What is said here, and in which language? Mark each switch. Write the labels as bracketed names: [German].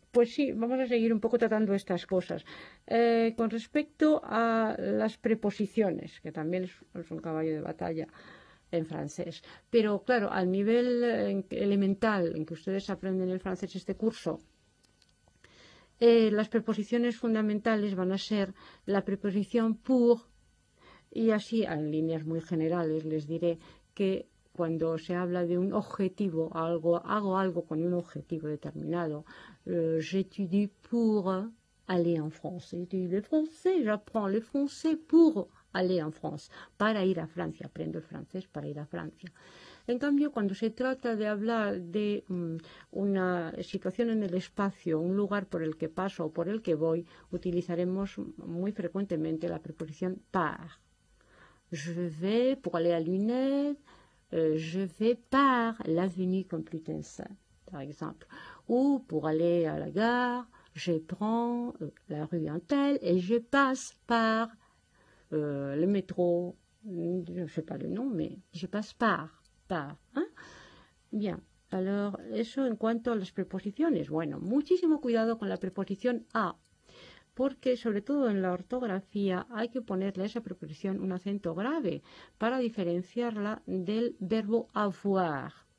[Spanish] Pues sí, vamos a seguir un poco tratando estas cosas. Con respecto a las preposiciones, que también es un caballo de batalla en francés, pero claro, al nivel elemental en que ustedes aprenden el francés este curso, las preposiciones fundamentales van a ser la preposición pour, y así, en líneas muy generales, les diré que cuando se habla de un objetivo, algo, hago algo con un objetivo determinado. [French] J'étudie pour aller en France. J'étudie le français, j'apprends le français pour aller en France. [Spanish] Para ir a Francia, aprendo el francés para ir a Francia. En cambio, cuando se trata de hablar de una situación en el espacio, un lugar por el que paso o por el que voy, utilizaremos muy frecuentemente la preposición par. [French] Je vais pour aller à Lunel, je vais par l'avenue Complutense, par exemple. Ou pour aller à la gare, je prends la rue Intel et je passe par le métro, je ne sais pas le nom, mais je passe par. Hein? Bien, alors, [Spanish] eso en cuanto a las preposiciones. Bueno, muchísimo cuidado con la preposición a, porque sobre todo en la ortografía hay que ponerle a esa preposición un acento grave para diferenciarla del verbo avoir.